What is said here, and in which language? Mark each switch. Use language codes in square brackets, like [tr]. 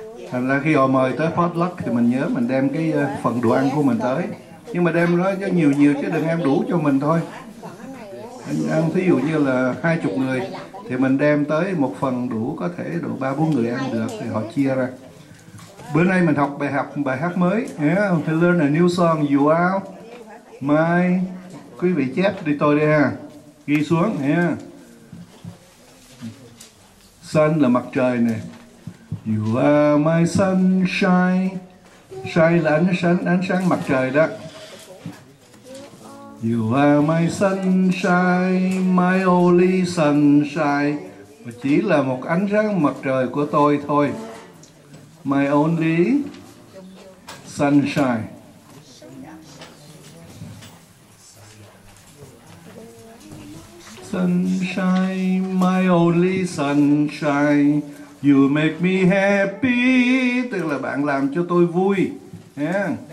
[vi] Thành ra khi họ mời tới potluck thì mình nhớ mình đem cái phần đồ ăn của mình tới. Nhưng mà đem nó cho nhiều nhiều chứ đừng em đủ cho mình thôi. Anh ăn thí dụ như là 20 người thì mình đem tới một phần đủ có thể đủ 3-4 người ăn được thì họ chia ra. Bữa nay mình học bài hát mới. [en] Yeah, to learn a new song, you are my... [vi] Quý vị chép đi tôi đi ha. Ghi xuống nha. Yeah. Sun là mặt trời nè. [en] You are my sunshine. [vi] Shine là ánh sáng mặt trời đó. [en] You are my sunshine, my only sunshine. [vi] Chỉ là một ánh sáng mặt trời của tôi thôi. [en] My only sunshine. Sunshine, my only sunshine, you make me happy, [vi] tức là bạn làm cho tôi vui. [en] Yeah.